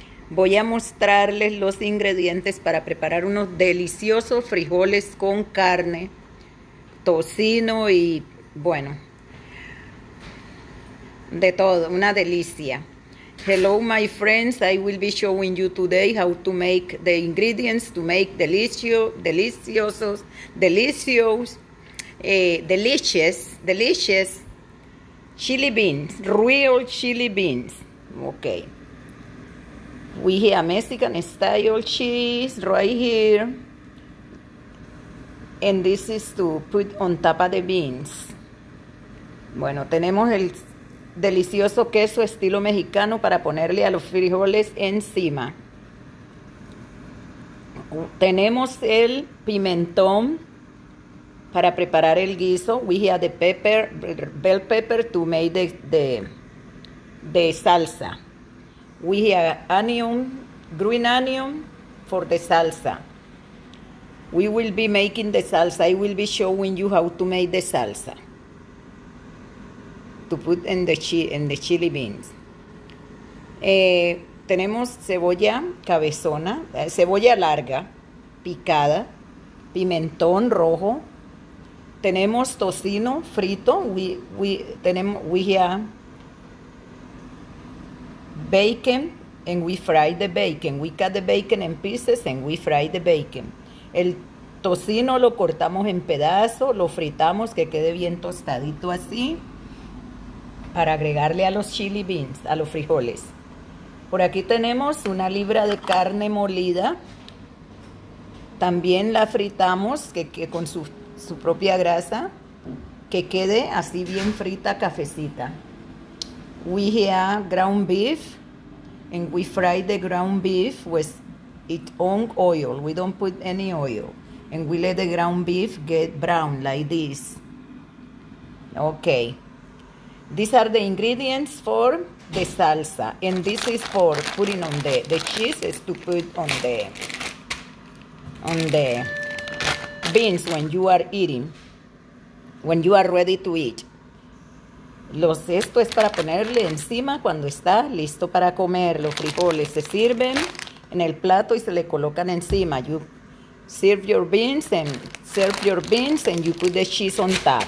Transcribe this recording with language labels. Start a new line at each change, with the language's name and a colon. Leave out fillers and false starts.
Spanish: Voy a mostrarles los ingredientes para preparar unos deliciosos frijoles con carne, tocino y, bueno, de todo, una delicia.
English: Hello, my friends. I will be showing you today how to make the ingredients to make delicious. Chili beans, real chili beans. Okay. We have Mexican style cheese right here. And this is to put on top of the beans.
Spanish: Bueno, tenemos el delicioso queso estilo mexicano para ponerle a los frijoles encima. Tenemos el pimentón. Para preparar el guiso,
English: we have the pepper, bell pepper to make the salsa. We have onion, green onion for the salsa. We will be making the salsa. I will be showing you how to make the salsa. To put in the chili beans.
Spanish: Tenemos cebolla cabezona, cebolla larga, picada, pimentón rojo. Tenemos tocino frito,
English: bacon, and we fry the bacon. We cut the bacon in pieces and we fry the bacon.
Spanish: El tocino lo cortamos en pedazos, lo fritamos que quede bien tostadito así, para agregarle a los chili beans, a los frijoles. Por aquí tenemos una libra de carne molida. También la fritamos que con su propia grasa, que quede así bien frita, cafecita.
English: We have ground beef, and we fry the ground beef with its own oil. We don't put any oil. And we let the ground beef get brown like this. Okay. These are the ingredients for the salsa. And this is for putting on the cheese is to put on the beans when you are eating, when you are ready to eat.
Spanish: Esto es para ponerle encima cuando está listo para comer. Los frijoles se sirven en el plato y se le colocan encima.
English: You serve your beans and you put the cheese on top.